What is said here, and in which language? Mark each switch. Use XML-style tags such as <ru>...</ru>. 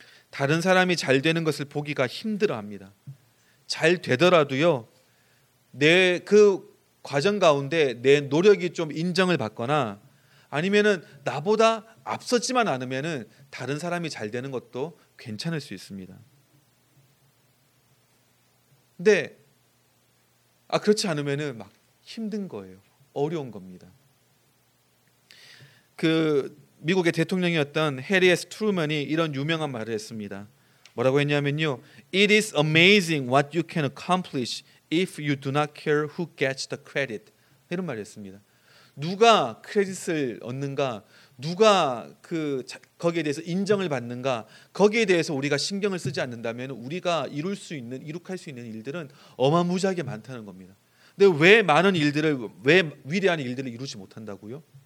<ko>다른 사람이 잘 되는 것을 보기가 힘들어합니다. 잘 되더라도요, 내 그 과정 가운데 내 노력이 좀 인정을 받거나 아니면은 나보다 앞섰지만 않으면은 다른 사람이 잘 되는 것도 괜찮을 수 있습니다. 근데 아 그렇지 않으면은 막 힘든 거예요. 어려운 겁니다. 그 미국의 대통령이었던 해리 S. 트루먼이 이런 유명한 말을 했습니다. 뭐라고 했냐면요.</ko> <en>It is amazing what you can accomplish if you do not care who gets the credit.</en> <ko>이런 말을 했습니다. 누가 크레딧을 얻는가, 누가 그 거기에 대해서 인정을 받는가, 거기에 대해서 우리가 신경을 쓰지 않는다면 우리가 이룰 수 있는, 이룩할 수 있는 일들은 어마무지하게 많다는 겁니다. 근데 왜 많은 일들을, 왜 위대한 일들을 이루지 못한다고요?</ko>